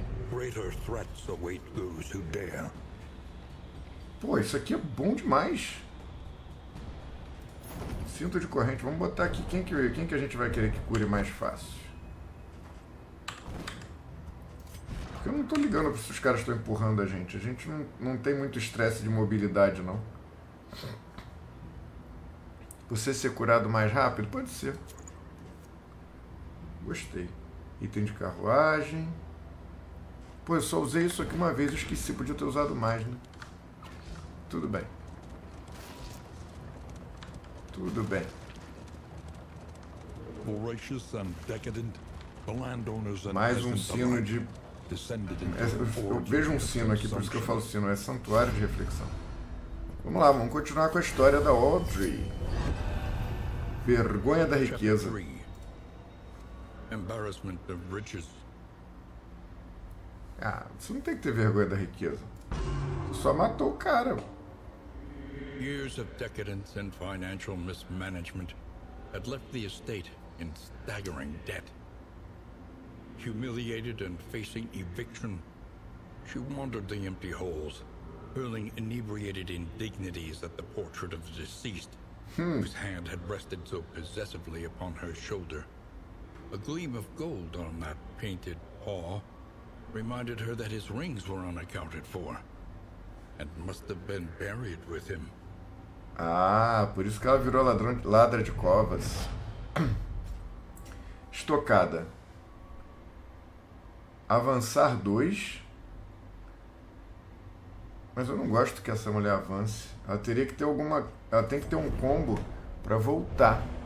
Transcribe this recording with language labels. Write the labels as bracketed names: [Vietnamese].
[English] Greater threats await those who dare. [Portuguese] Pô, isso aqui é bom demais. Cinto de corrente. Vamos botar aqui quem que a gente vai querer que cure mais fácil. Porque eu não tô ligando se os caras estão empurrando a gente. A gente não tem muito estresse de mobilidade, não. Você ser curado mais rápido? Pode ser. Gostei. Item de carruagem. Pô, eu só usei isso aqui uma vez. Eu esqueci, podia ter usado mais, né? Tudo bem. Tudo bem. [English] Voracious and decadent, the landowners and [Portuguese] mais um sino de... Eu vejo um sino aqui, por isso que eu falo sino. É santuário de reflexão. Vamos lá, vamos continuar com a história da Audrey. Vergonha da riqueza. [English] Embarrassment of riches. [Portuguese] Ah, você não tem que ter vergonha da riqueza. Você só matou o cara. [English] Years of decadence and financial mismanagement had left the estate in staggering debt. Humiliated and facing eviction, she wandered the empty halls, hurling inebriated indignities at the portrait of the deceased, whose hand had rested so possessively upon her shoulder. A gleam of gold on that painted paw reminded her that his rings were unaccounted for, and must have been buried with him. [Portuguese] Ah, por isso que ela virou ladra de covas. Estocada. Avançar 2. Mas eu não gosto que essa mulher avance. Ela teria que ter alguma. Ela tem que ter um combo pra voltar.